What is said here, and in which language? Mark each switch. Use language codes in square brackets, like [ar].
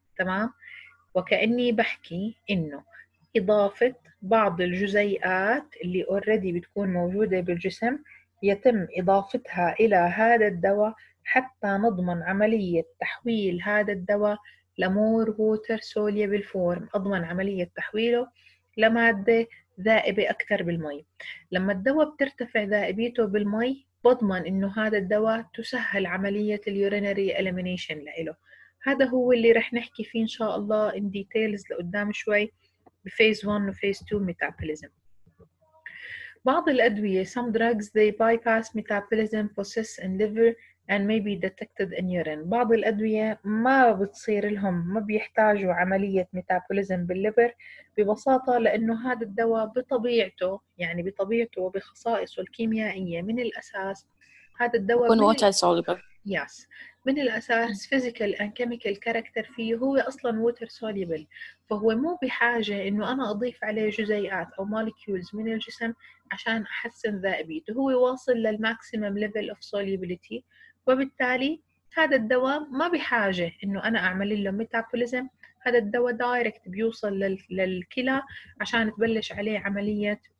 [ar] تمام؟ وكأني بحكي إنه إضافة بعض الجزيئات اللي أوريدي بتكون موجودة بالجسم يتم إضافتها إلى هذا الدواء حتى نضمن عملية تحويل هذا الدواء لمور ووتر سوليبل فورم، أضمن عملية تحويله لمادة ذائبة أكثر بالماء. لما الدواء بترتفع ذائبيته بالماء بضمن إنه هذا الدواء تسهل عملية اليورينري إليمينيشن لإله. هذا هو اللي رح نحكي فيه إن شاء الله إن ديتيلز لقدام شوي بفيز 1 وفيز 2 ميتابوليزم. بعض الأدوية [en] some drugs they bypass metabolism process in liver and may be detected in urine. [ar] بعض الأدوية ما بتصير لهم ما بيحتاجوا عملية metabolism بالليبر ببساطة لأنه هذا الدواء بطبيعته يعني بطبيعته وبخصائصه الكيميائية من الأساس هذا الدواء من water soluble. [en] Yes. [ar] من الأساس [en] physical and chemical character [ar] فيه هو أصلاً water soluble، فهو مو بحاجة إنه أنا أضيف عليه جزيئات أو molecules من الجسم عشان أحسن ذائبيته، هو واصل لل [en] maximum level of solubility، [ar] وبالتالي هذا الدواء ما بحاجة إنه أنا أعمل له metabolism، هذا الدواء direct بيوصل للكلى عشان تبلش عليه عملية